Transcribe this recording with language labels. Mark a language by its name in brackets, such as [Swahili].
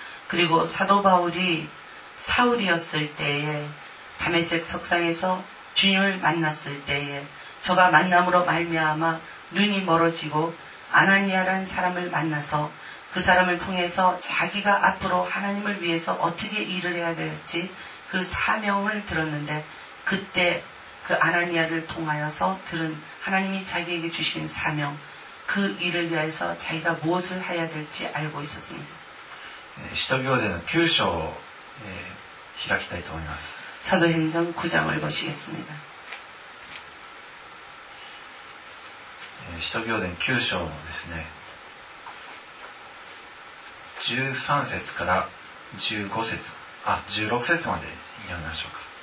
[Korean] 그리고사도바울이사울이었을때에다메섹석상에서주님을만났을때에저가만남으로말미암아눈이멀어지고아나니아라는사람을만나서그사람을통해서자기가앞으로하나님을위해서어떻게일을해야될지그사명을들었는데그때그아나니아를통하여서들은하나님이자기에게주신사명그일을위해서자기가무엇을해야될지알고있었습니다 [Japanese] 使徒行伝の9章を、開きたいと思います [Korean] 사도행전9장을보시겠습니다 [Japanese] 使徒行伝9章のですね、13節から15節、あ、16節まで読みましょうか。